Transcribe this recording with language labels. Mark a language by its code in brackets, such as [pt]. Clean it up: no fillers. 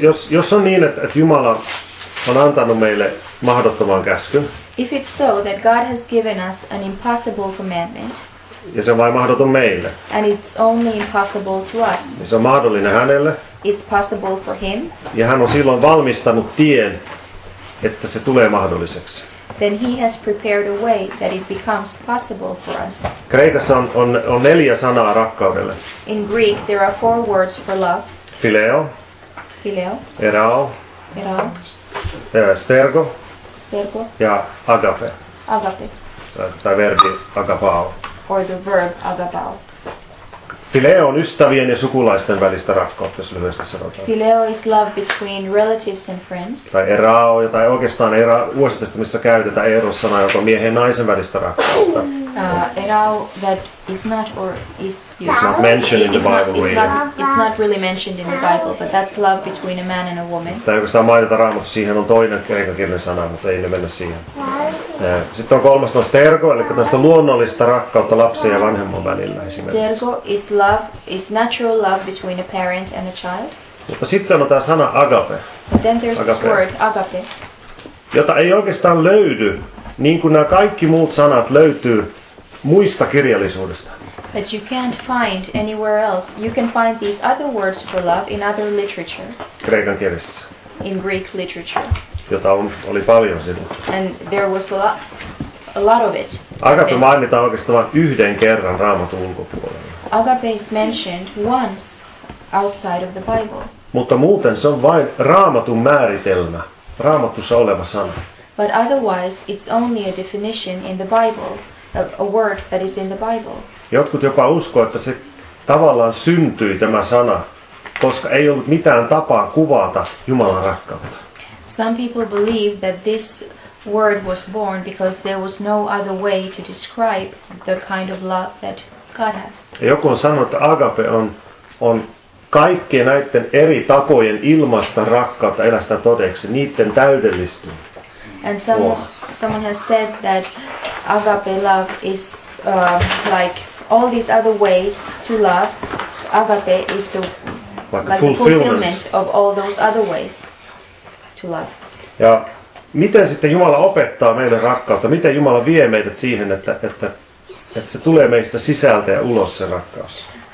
[fi] Jos on niin, että Jumala on antanut meille mahdottoman käskyn. [en] If it's so that God has given us an impossible commandment. [fi] Ja se on vain mahdoton meille. [en] And it's only impossible to us. [fi] Se on mahdollinen hänelle. [en] It's possible for him. [fi] Ja hän on silloin valmistanut tien, että se tulee mahdolliseksi. [en] Then he has prepared a way that it becomes possible for us. [fi] Kreikassa on 4 sanaa rakkaudelle. [en] In Greek there are 4 words for love. [fi] Phileo. [en] Phileo. [fi] Erao. [en] Erao. [fi] Stergo. [en] Stergo. [fi] Ja agape. [en] Agape. [fi] Tai verbi agapao. [en] Or the verb agapao. [fi] Phileo on ystävien ja sukulaisten välistä rakkautta, jos lyhyesti sanotaan. [en] Phileo is love between relatives and friends. [fi] Tai erao, tai oikeastaan uusitesta, missä käytetään eros-sanaa, joka on miehen ja naisen välistä rakkautta. [en] Erao that is not or is used. It's not mentioned in the Bible. It's not really mentioned in the Bible, but that's love between a man and a woman. [fi] Sitä ei oikeastaan mainita Raamatussa, siihen on toinen kreikankielinen sana, mutta ei ne mennä siihen. Sitten on kolmas sana, stergo, eli tästä luonnollista rakkautta lapsen ja vanhemman välillä esimerkiksi. [en] Stergo is love, is natural love between a parent and a child. [fi] Mutta sitten on tämä sana agape. [en] But then there's agape. This word, agape. [fi] Jota ei oikeastaan löydy, niin kuin nämä kaikki muut sanat löytyy muista kirjallisuudesta. [en] That you can't find anywhere else. You can find these other words for love in other literature. [fi] Kreikan kielessä. [en] In Greek literature. [fi] Jota on, oli paljon silloin. [en] And there was a lot of it. [fi] Agape mainitaan oikeastaan yhden kerran Raamatun ulkopuolella. [en] Agape is mentioned once outside of the Bible. [fi] Mutta muuten se on vain Raamatun määritelmä, Raamatussa oleva sana. [en] But otherwise it's only a definition in the Bible, a word that is in the Bible. [fi] Jotkut jopa uskoo, että se tavallaan syntyi tämä sana, koska ei ollut mitään tapaa kuvata Jumalan rakkautta. [en] Some people believe that this word was born because there was no other way to describe the kind of love that God has. [fi] Joku on sanonut, että agape on kaikkien näiden eri tapojen ilmaista rakkautta elästä todeksi, niiden täydellistyy. [en] And someone has said that agape love is like all these other ways to love, agape is the fulfillment of all those other ways to love. [fi] Ja miten sitten Jumala opettaa meille rakkautta? Miten Jumala vie meitä siihen, että se tulee meistä sisältä ja ulos se rakkaus?